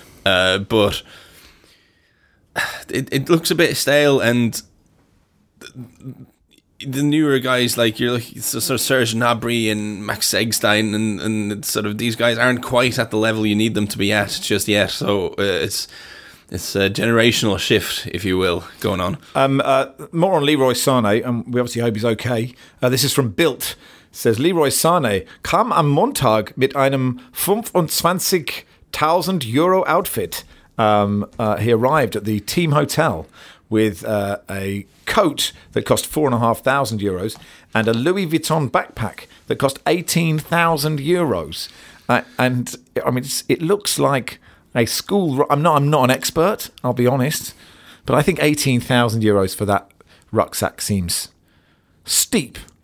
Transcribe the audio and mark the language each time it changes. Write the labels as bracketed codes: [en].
[en] But it looks a bit stale, and the newer guys, like you're looking, so sort of Serge Gnabry and Max Eggstein, and it's sort of these guys aren't quite at the level you need them to be at just yet. So it's a generational shift, if you will, going on. More on Leroy Sané, and we obviously hope he's okay. This is from Bild. Says [de] Leroy Sané kam am Montag mit einem 25.000 Euro outfit. [en] He arrived at the team hotel with a coat that cost 4,500 euros and a Louis Vuitton backpack that cost 18,000 euros. And I mean, it looks like a school. I'm not an expert, I'll be honest, but I think 18,000 euros for that rucksack seems steep.